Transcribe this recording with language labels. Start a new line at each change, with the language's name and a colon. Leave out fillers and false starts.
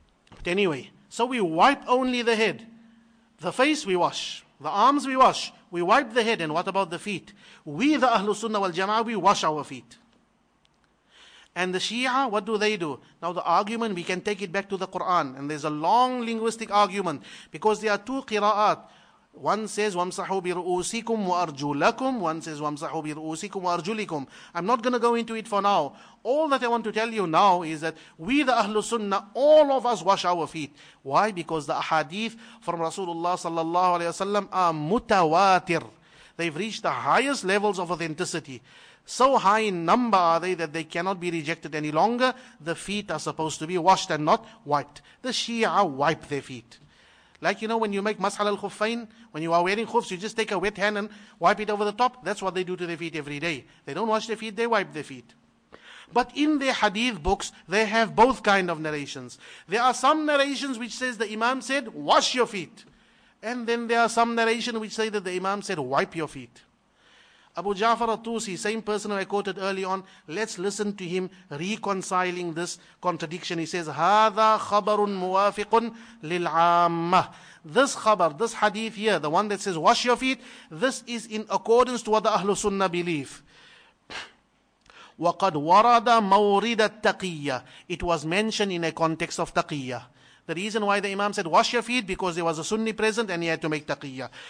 English: But anyway, so we wipe only the head. The face we wash, the arms we wash, we wipe the head, and what about the feet? We, the Ahlu Sunnah wal Jama'ah, we wash our feet. And the Shia, what do they do? Now the argument, we can take it back to the Quran, and there's a long linguistic argument, because there are two qira'at. One says,
Arabic: وَمْسَحُوا بِرُؤُوسِكُمْ وَأَرْجُلَكُمْ. One says, وَمْسَحُوا بِرُؤُوسِكُمْ وَأَرْجُلِكُمْ.
English: I'm not going to go into it for now. All that I want to tell you now is that we, the Ahlu Sunnah, all of us wash our feet. Why? Because the ahadith from Rasulullah sallallahu alayhi wa sallam are mutawatir. They've reached the highest levels of authenticity. So high in number are they that they cannot be rejected any longer. The feet are supposed to be washed and not wiped. The Shia wipe their feet. Like, you know, when you make mas'al al-khuffain, when you are wearing khufs, you just take a wet hand and wipe it over the top. That's what they do to their feet every day. They don't wash their feet, they wipe their feet. But in their hadith books, they have both kind of narrations. There are some narrations which says the imam said, wash your feet. And then there are some narrations which say that the imam said, wipe your feet. Abu Ja'far al-Tusi, same person who I quoted early on, let's listen to him reconciling this contradiction. He says,
Arabic: هَذَا خَبَرٌ مُوَافِقٌ لِلْعَامَّةِ.
English: This khabar, this hadith here, the one that says, wash your feet, this is in accordance to what the Ahlu Sunnah believe.
Arabic: وَقَدْ وَرَدَ مَوْرِدَ التَّقِيَّةِ.
English: It was mentioned in a context of taqiyya. The reason why the Imam said, wash your feet, because there was a Sunni present and he had to make taqiyya.